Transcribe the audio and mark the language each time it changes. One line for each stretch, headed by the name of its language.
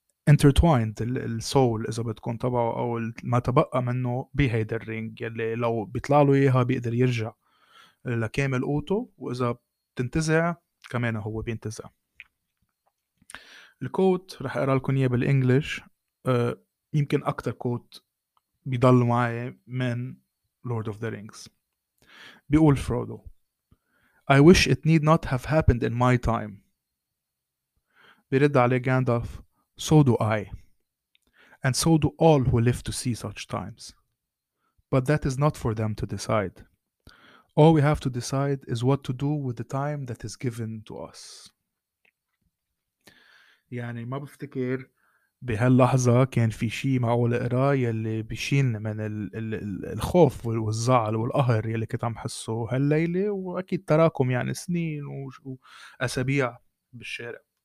English: intertwined
Arabic: السول إذا بتكون تبعه أو ما تبقى منه بهيدا الرينج، يلي لو بيطلع له إياها بيقدر يرجع لكامل قوته، وإذا بتنتزع كمان هو بينتزع. الكوت رح أقرأ لكم إياه بالإنجليش، يمكن أكتر كوت بيضل معي من Lord of the Rings. بيقول فرودو:
English: I wish it need not have happened in my time.
Arabic: بيرد عليه غاندالف:
English: So do I, and so do all who live to see such times. But that is not for them to decide. All we have to decide is what to do with the time that is given to us.
Arabic: يعني ما بفتكر بهاللحظة كان في شيء معقول اقراه يلي بيشيلني من الخوف والزعل والقهر يلي كنت عم حسه هالليلة، واكيد تراكم يعني سنين واسابيع بالشارع.